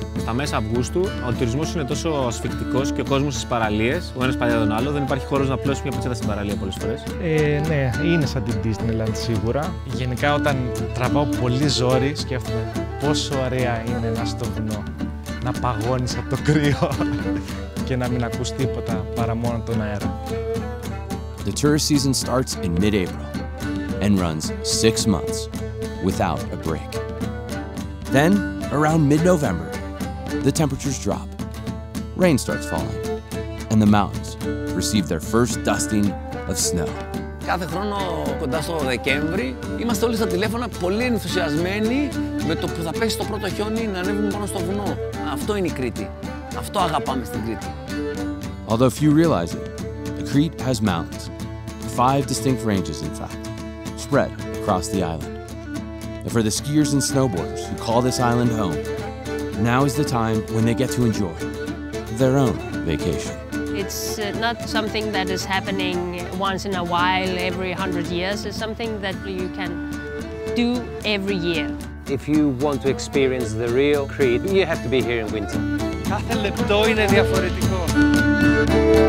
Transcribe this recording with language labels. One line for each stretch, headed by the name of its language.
Greek: Στα μέσα Αυγούστου, ο τουρισμός είναι τόσο ασφυκτικός και ο κόσμος στις παραλίες, ο ένας παλιά τον άλλο, δεν υπάρχει χώρος να πλώσει μια πατσέτα στην παραλία πολλές φορές. Ναι, είναι σαν την Disneyland σίγουρα. Γενικά, όταν τραβάω πολύ ζόρι, σκέφτομαι πόσο ωραία είναι να στο βουνό. Να παγώνεις από το κρύο και να μην ακούς τίποτα παρά μόνο τον αέρα.
English: The tourist season starts in mid-April and runs 6 months without a break. Then, around mid-November, the temperatures drop, rain starts falling, and the mountains receive their first dusting of snow.
Greek: Κάθε χρόνο κοντά στο Δεκέμβρη είμαστε όλοι στα τηλέφωνα πολύ ενθουσιασμένοι με το που θα πέσει το πρώτο χιόνι να ανέβουμε πάνω στο βουνό. Αυτό είναι η Κρήτη. Αυτό αγαπάμε στην Κρήτη.
English: Although few realize it, Crete has mountains, 5 distinct ranges in fact, spread across the island. And for the skiers and snowboarders who call this island home, now is the time when they get to enjoy their own vacation. It's not something that is happening once in a while, every 100 years. It's something that you can do every year. If you want to experience the real Crete, you have to be here in winter.
Greek: Κάθε λεπτό είναι διαφορετικό.